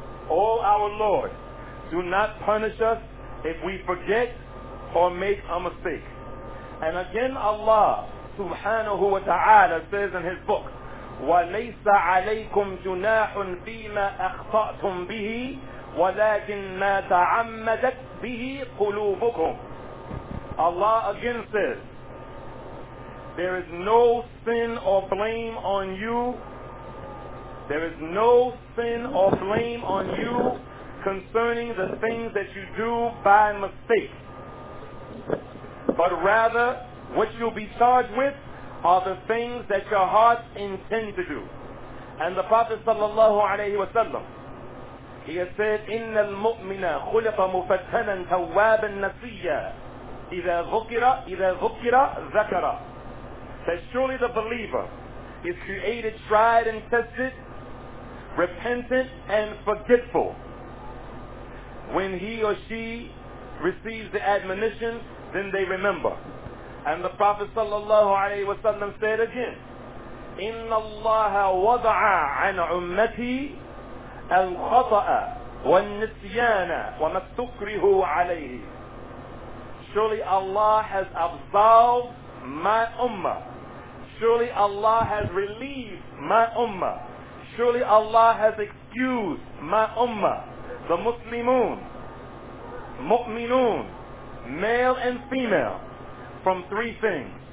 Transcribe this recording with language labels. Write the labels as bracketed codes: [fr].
[en] O our Lord, do not punish us if we forget or make a mistake. And again Allah subhanahu wa ta'ala says in his book, [ar] وَلَيْسَ عَلَيْكُمْ جُنَاحٌ فِيمَا أَخْطَأْتُمْ بِهِ وَلَكِنْ مَا تَعَمَّدَتْ بِهِ قُلُوبُكُمْ. [en] Allah again says, there is no sin or blame on you. There is no sin or blame on you concerning the things that you do by mistake. But rather, what you'll be charged with are the things that your heart intends to do. And the Prophet sallallahu alayhi wa sallam, he has said, [ar] إِنَّ الْمُؤْمِنَ خُلِقَ مُفَتَّنًا تَوَّابًا نَسِيًّا إِذَا ذُكِرَ ذَكَرَ. [en] That surely the believer is created tried and tested, repentant and forgetful. When he or she receives the admonition, then they remember. And the Prophet sallallahu alayhi wa sallam said again, [ar] إِنَّ اللَّهَ وَضَعَ عَنْ عُمَّتِي الْخَطَأَ وَالنِّسْيَانَ وَمَا اسْتُكْرِهُ عَلَيْهِ. [en] Surely Allah has absolved my ummah. Surely Allah has relieved my ummah. Surely Allah has excused my ummah. The Muslimun, mu'minun, male and female, from three things.